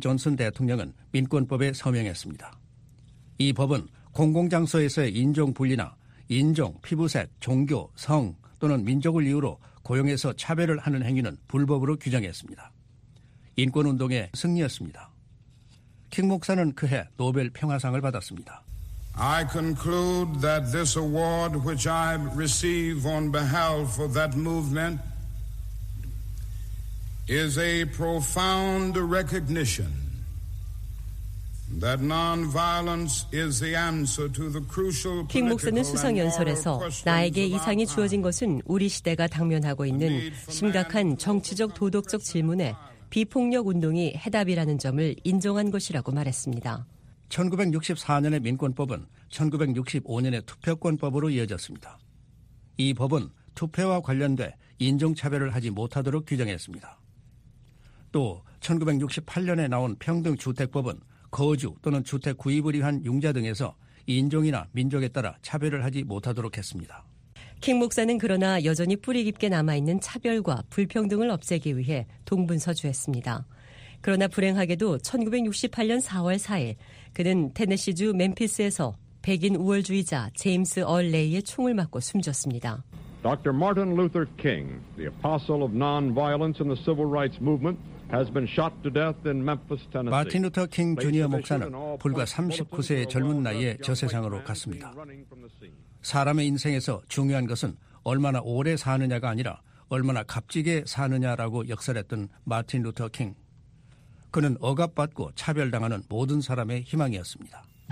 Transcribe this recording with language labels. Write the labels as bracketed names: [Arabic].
[Korean] 존슨 대통령은 민권법에 서명했습니다. 이 법은 공공장소에서의 인종분리나 인종, 피부색, 종교, 성 또는 민족을 이유로 고용해서 차별을 하는 행위는 불법으로 규정했습니다. 인권운동의 승리였습니다. 킹 목사는 그해 노벨 평화상을 받았습니다. [English] I conclude that this award which I receive on behalf of that movement is a profound recognition that nonviolence is the answer to the crucial political. [Korean] 킹 목사는 수상 연설에서 나에게 이 상이 주어진 것은 우리 시대가 당면하고 있는 심각한 정치적 도덕적 질문에 비폭력 운동이 해답이라는 점을 인정한 것이라고 말했습니다. 1964년의 민권법은 1965년의 투표권법으로 이어졌습니다. 이 법은 투표와 관련돼 인종차별을 하지 못하도록 규정했습니다. 또 1968년에 나온 평등주택법은 거주 또는 주택 구입을 위한 융자 등에서 인종이나 민족에 따라 차별을 하지 못하도록 했습니다. 킹 목사는 그러나 여전히 뿌리 깊게 남아있는 차별과 불평등을 없애기 위해 동분서주했습니다. 그러나 불행하게도 1968년 4월 4일 그는 테네시주 멤피스에서 백인 우월주의자 제임스 얼 레이의 총을 맞고 숨졌습니다. [English] Dr. Martin Luther King, the apostle of nonviolence in the civil rights movement, has been shot to death in Memphis, Tennessee. [Korean] 마틴 루터 킹 주니어 목사는 불과 39세의 젊은 나이에 저 세상으로 갔습니다. 사람의 인생에서 중요한 것은 얼마나 오래 사느냐가 아니라 얼마나 값지게 사느냐라고 역설했던 마틴 루터 킹. 그는 억압받고 차별당하는 모든 사람의 희망이었습니다.